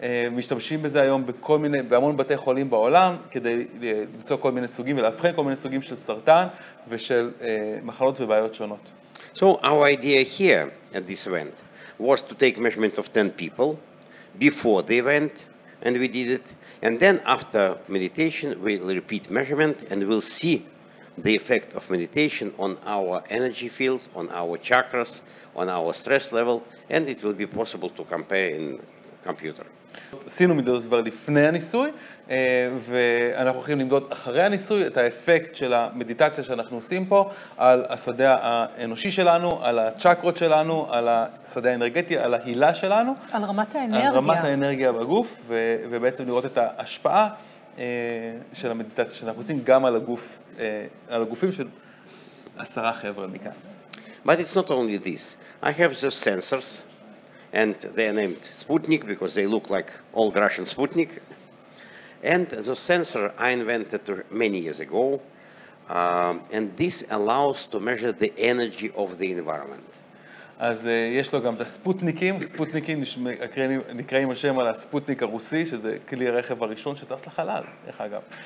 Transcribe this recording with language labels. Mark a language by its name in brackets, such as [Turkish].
[Hebrew] משתמשים בזה היום בהמון בתי חולים בעולם, כדי למצוא כל מיני סוגים ולהבחן כל מיני סוגים של סרטן ושל מחלות ובעיות שונות. [English] So our idea here at this event was to take measurement of 10 people before the event, and we did it. And then after meditation, we'll repeat measurement and we'll see the effect of meditation on our energy field, on our chakras, on our stress level, and it will be possible to compare in computer. [Hebrew] עשינו מדידות כבר לפני הניסוי, ואנחנו הולכים למדוד אחרי הניסוי את האפקט של המדיטציה שאנחנו עושים פה על השדה האנושי שלנו, על הצ'קרות שלנו, על השדה האנרגטי, על ההילה שלנו, על רמת האנרגיה, על רמת האנרגיה בגוף, ובעצם לראות את ההשפעה של המדיטציה שאנחנו עושים גם על הגוף, על הגופים של 10 חבר'ה מכאן. [English] But it's not only this. I have the sensors, and they are named Sputnik because they look like old Russian Sputnik. And the sensor I invented many years ago, and this allows to measure the energy of the environment. [Hebrew] אז יש לו גם את הספוטניקים, ספוטניקים נקראים השם על הספוטניק הרוסי, שזה כלי הרכב הראשון שטס לחלל, איך אגב.